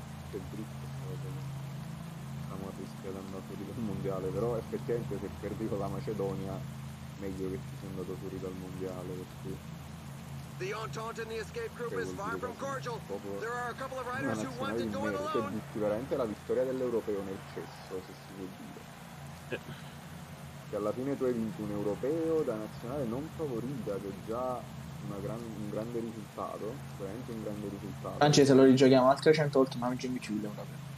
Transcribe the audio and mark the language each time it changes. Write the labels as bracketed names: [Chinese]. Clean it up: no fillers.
[Italian] Che brutto, siamo a rischio di andare fuori dal mondiale, però effettivamente se perdi con la Macedonia, meglio che ci sia andato fuori dal mondiale, perché... [English] The Entente and the escape group is far from cordial. There are a couple of riders who want to go it alone. [Italian] Butti veramente la vittoria dell'europeo nel cesso, se si può dire. Che alla fine tu hai vinto un europeo da nazionale non favorita, che è già un grande risultato. Veramente un grande risultato. Francese, lo rigiochiamo altre 100 volte, ma oggi invece vogliamo proprio.